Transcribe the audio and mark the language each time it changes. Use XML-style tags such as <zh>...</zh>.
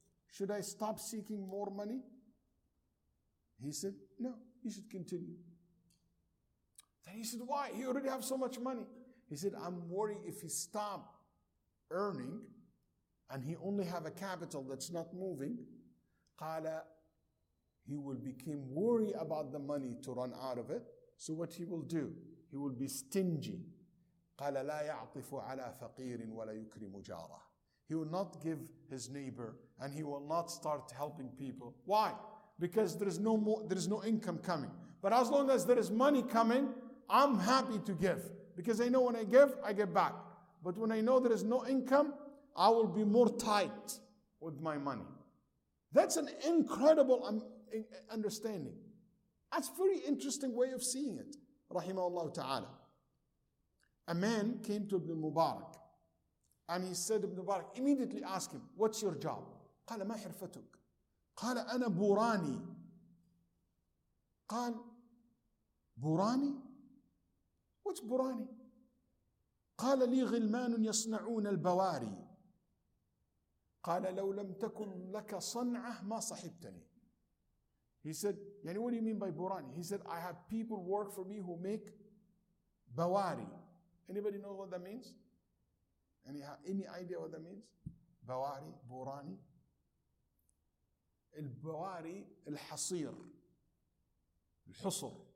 <en>Should I stop seeking more money? He said, no, you should continue. Then he said, why? He already have so much money. He said, I'm worried if he stop earning and he only have a capital that's not moving, قال he will become worried about the money to run out of it. So what he will do? He will be stingy.</en> <ar>قال لا يعطف على فقير ولا يكرم جاره.</ar> <en>He will not give his neighbor and he will not start helping people. Why? Because there is no income coming. But as long as there is money coming, I'm happy to give. Because I know when I give, I get back. But when I know there is no income, I will be more tight with my money. That's an incredible understanding. That's a very interesting way of seeing it. Rahimahullah ta'ala. A man came to Ibn Mubarak and he said, Ibn Mubarak, immediately ask him, what's your job?</en> <ar>قال ما حرفتك؟ قال أنا بوراني. قال بوراني؟</ar> <en>What's</en> <ar>بوراني؟ قال لي غلمان يصنعون البواري. قال لو لم تكن لك صنعة ما صحبتني.</ar> <en>He said, يعني what do you mean by بوراني? He said, I have people work for me who make بواري. Anybody know what that means? Any idea what that means?</en> <ar>Bawari, Burani. Al-Bawari, Al-Hasir. Al-Husr.</ar>